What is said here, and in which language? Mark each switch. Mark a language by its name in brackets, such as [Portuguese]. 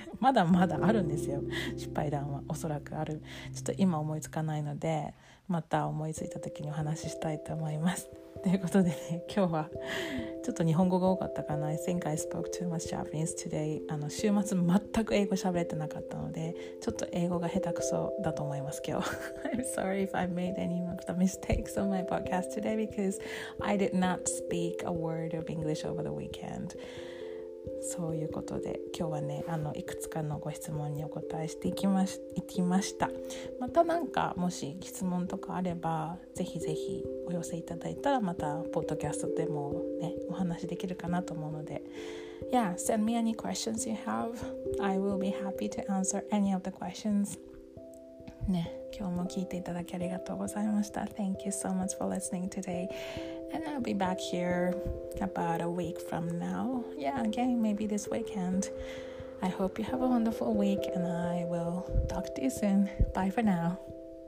[Japanese] まだまだあるんですよ、失敗談は。おそらくある、ちょっと今思いつかないので、また思いついた時にお話ししたいと思います。ということでね、今日はちょっと日本語が多かったかな。 [English] I think I spoke too much Japanese today. [Japanese] 週末全く英語喋れてなかったので、ちょっと英語が下手くそだと思います今日。 [English] I'm sorry if I made any of the mistakes on my podcast today because I did not speak a word of English over the weekend. [Japanese] そういうことで今日はね、いくつかのご質問にお答えしていきました。またなんかもし質問とかあればぜひぜひお寄せいただいたら、またポッドキャストでもねお話できるかなと思うので、 [English] Yeah, send me any questions you have. I will be happy to answer any of the questions. [Japanese] ね、今日も聞いていただきありがとうございました。 [English] Thank you so much for listening todayAnd I'll be back here about a week from now. Yeah, again, maybe this weekend. I hope you have a wonderful week, and I will talk to you soon. Bye for now.